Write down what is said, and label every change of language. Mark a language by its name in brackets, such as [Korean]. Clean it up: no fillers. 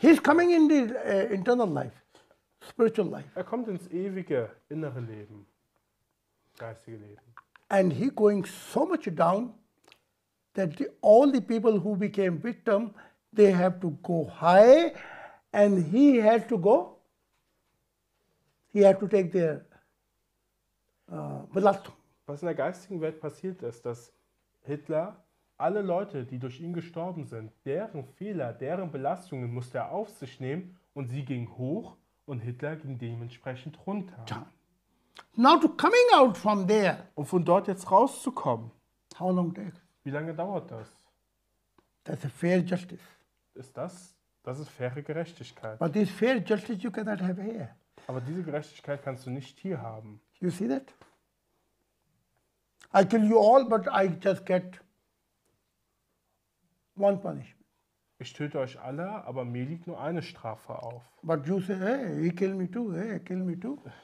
[English] He's coming in the internal life, spiritual life. [German] Er kommt ins ewige innere Leben, geistige Leben. [English] And he going so much down that the, all the people who became victim, they have to go high, and he had to go. He had to take their Belastung. [German] Was in der geistigen Welt passiert ist, dass Hitler alle Leute, die durch ihn gestorben sind, deren Fehler, deren Belastungen musste er auf sich nehmen und sie ging hoch und Hitler ging dementsprechend runter. [English] Now to coming out from there. [German] Und von dort jetzt rauszukommen. [English] How long did? [German] Wie lange dauert das? [English] That's a fair justice. [German] Ist das? Das ist faire Gerechtigkeit. [English] But this fair justice you cannot have here. [German] Aber diese Gerechtigkeit kannst du nicht hier haben. [English] You see that? I kill you all, but I just get one punishment. [German] Ich töte euch alle, aber mir liegt nur eine Strafe auf. [English] But you say, hey, he kill me too, hey, kill me too.